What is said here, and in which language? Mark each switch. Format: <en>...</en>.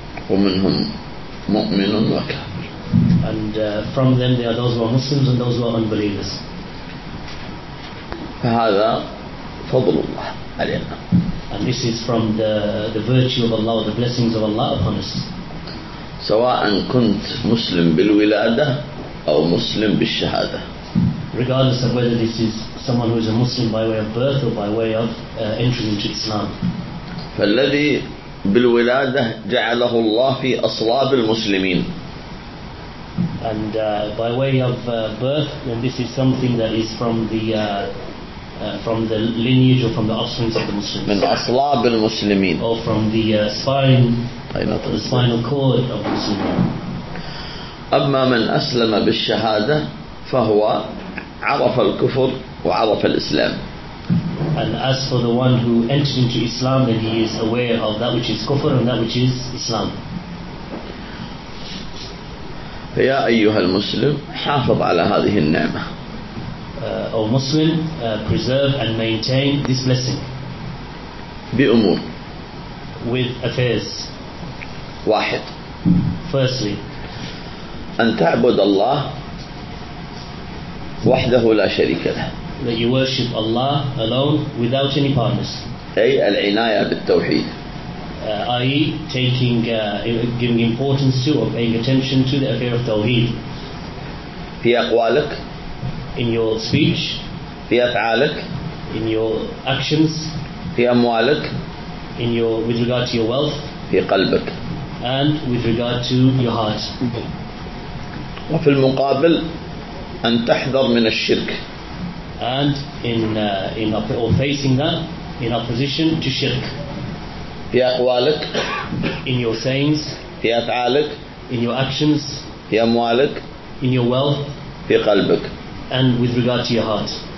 <ar>ومنهم مؤمن وكافر.</ar> <en>And from them there are those who are Muslims and those who are unbelievers.</en> <ar>فهذا فضل الله علينا.</ar> <en>And this is from the virtue of Allah, the blessings of Allah upon us.</en> <ar>سواء كنت مسلم بالولادة أو مسلم بالشهادة.</ar> <en>Regardless of whether this is someone who is a Muslim by way of birth or by way of entering into Islam.</en> <ar>فالذي بالولادة جعله الله في أصلاب المسلمين.</ar> <en>And by way of birth, then this is something that is from the lineage or from the offspring of the Muslims.</en> <ar>من أصلاب المسلمين.</ar> <en>Or from the spinal cord of the Muslim.</en> <ar>أما من أسلم بالشهادة فهو عرف الكفر وعرف الإسلام.</ar> <en>And as for the one who entered into Islam, then he is aware of that which is kufr and that which is Islam.</en> <ar>يا أيها المسلم حافظ على هذه النعمة.</ar> <en>O Muslim, preserve and maintain this blessing.</en> <ar>بأمور.</ar> <en>With affairs.</en> <ar>واحد.</ar> <en>Firstly.</en> <ar>أن تعبد الله وحده لا شريك له.</ar> <en>That you worship Allah alone without any partners.</en> <ar>أي العناية بالتوحيد.</ar> <en>I.e. taking giving importance to or paying attention to the affair of Tawheed.</en> <ar>في أقوالك.</ar> <en>In your speech.</en> <ar>في أفعالك.</ar> <en>In your actions.</en> <ar>في أموالك.</ar> <en>In your with regard to your wealth.</en> <ar>في قلبك.</ar> <en>And with regard to your heart.</en> <ar>وفي المقابل أن تحذر من الشرك.</ar> <en>and in or facing that in opposition to shirk.</en> <ar>في أقوالك.</ar> <en>In your sayings.</en> <ar>في أفعالك.</ar> <en>In your actions.</en> <ar>في أموالك.</ar> <en>In your wealth.</en> <ar>في قلبك.</ar> <en>And with regard to your heart.</en>